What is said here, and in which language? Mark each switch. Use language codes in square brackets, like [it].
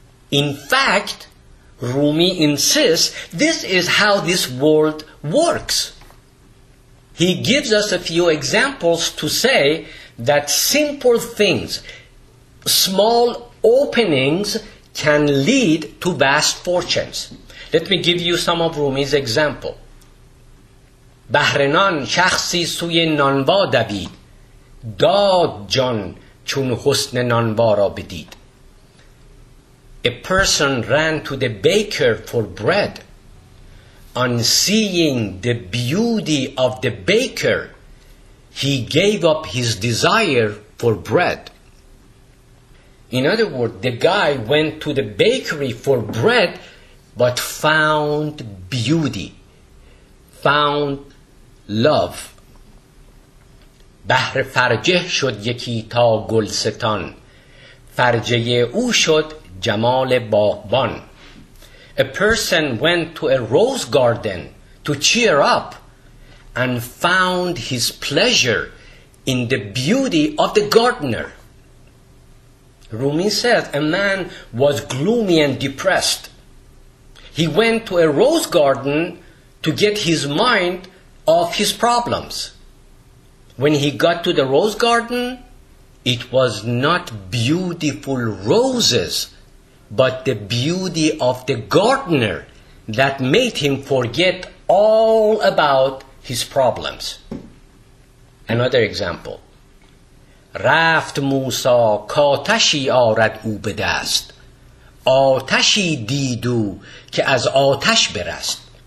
[en] In fact, Rumi insists, this is how this world works. He gives us a few examples to say that simple things, small openings, can lead to vast fortunes. Let me give you some of Rumi's example. [fa] بهرنان شخصی سوی نانوا دوید، داد جان چون حسن نانوا را بدید. [en] A person ran to the baker for bread. On seeing the beauty of the baker, he gave up his desire for bread. In other words, the guy went to the bakery for bread, but found beauty, found love. [fa] بهر فرجه شد یکی تا گلستان، فرجه او شد جمال باغبان. [en] A person went to a rose garden to cheer up and found his pleasure in the beauty of the gardener. Rumi says a man was gloomy and depressed. He went to a rose garden to get his mind off his problems. When he got to the rose garden, it was not beautiful roses, but the beauty of the gardener that made him forget all about his problems. Another example. [fa] رفت موسی کاتشی آرد او به دست، آتشی دیدو که از آتش برست.